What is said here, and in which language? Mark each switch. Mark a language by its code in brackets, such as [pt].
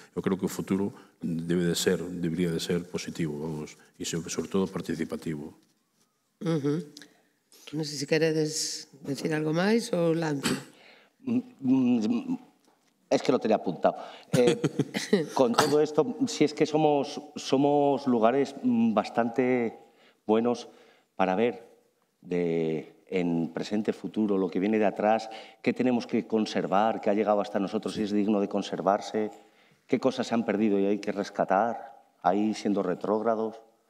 [gl] Eu creo que o futuro debería de ser positivo, vamos, e sobre todo participativo. Non sei se queredes decir algo máis ou lanzo. [es] Es que lo tenía apuntado. Con todo esto, si es que somos lugares bastante buenos para ver en presente, futuro, lo que viene de atrás, qué tenemos que conservar, qué ha llegado hasta nosotros, si es digno de conservarse, qué cosas se han perdido y hay que rescatar, ahí siendo retrógrados.